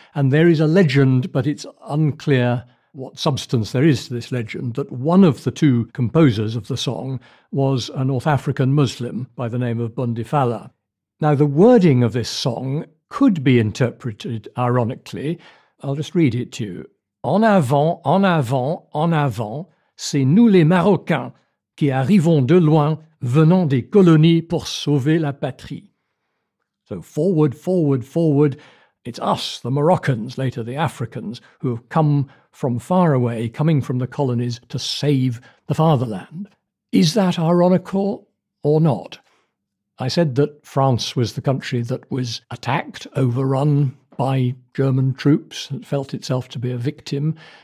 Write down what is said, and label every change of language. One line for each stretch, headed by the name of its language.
English: And there is a legend, but it's unclear what substance there is to this legend, that one of the two composers of the song was a North African Muslim by the name of Bundifala. Now, the wording of this song could be interpreted ironically. I'll just read it to you.
French: En avant, en avant, en avant, c'est nous les Marocains qui arrivons de loin, venant des colonies pour sauver la patrie.
English: So forward, forward, forward, it's us, the Moroccans, later the Africans, who have come from far away, coming from the colonies to save the fatherland. Is that ironical or not? I said that France was the country that was attacked, overrun by German troops, and felt itself to be a victim.